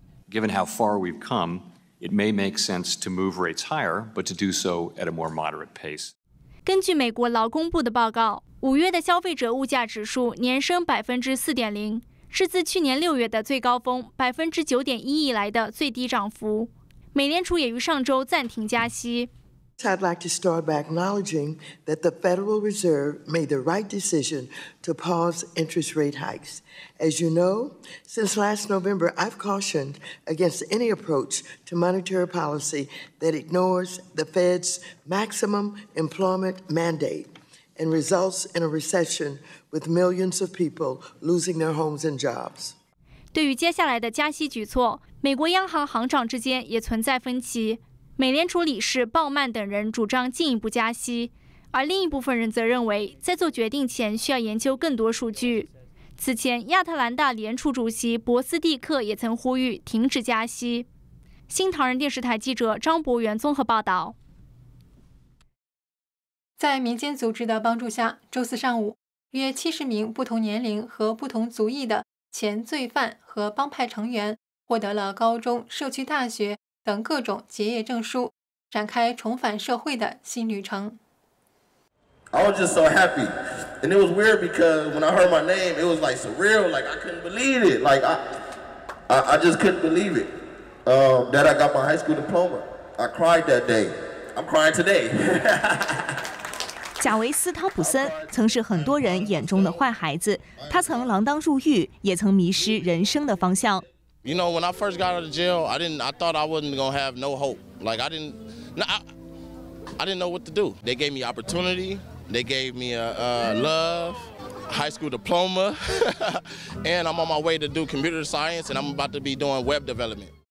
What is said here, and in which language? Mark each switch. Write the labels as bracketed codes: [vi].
[en] Given how far we've come, it may make sense to move rates higher, but to do so at a more moderate pace. [zh] 根据美国劳工部的报告，五月的消费者物价指数年升4.0%，是自去年6月的最高峰9.1%以来的最低涨幅。美联储也于上周暂停加息。 [en] I'd like to start by acknowledging that the Federal Reserve made the right decision to pause interest rate hikes. As you know, since last November, I've cautioned against any approach to monetary policy that ignores the Fed's maximum employment mandate and results in a recession with millions of people losing their homes and jobs. [zh] 对于接下来的加息举措，美国央行行长之间也存在分歧。美联储理事鲍曼等人主张进一步加息，而另一部分人则认为在做决定前需要研究更多数据。此前亚特兰大联储主席博斯蒂克也曾呼吁停止加息。新唐人电视台记者张博元综合报道。在民间组织的帮助下，周四上午约70名不同年龄和不同族裔的前罪犯和帮派成员获得了高中、社区大学等各种结业证书，展开重返社会的新旅程。 [en] I was just so happy, and it was weird because when I heard my name, it was like surreal. Like I couldn't believe it. Like I just couldn't believe it. That I got my high school diploma. I cried that day. I'm crying today. [zh] 贾维斯·汤普森曾是很多人眼中的坏孩子，他曾锒铛入狱，也曾迷失人生的方向。 [en] You know, when I first got out of jail, I thought I wasn't gonna have no hope. Like I didn't know what to do. They gave me opportunity. They gave me a love, high school diploma, and I'm on my way to do computer science, and I'm about to be doing web development.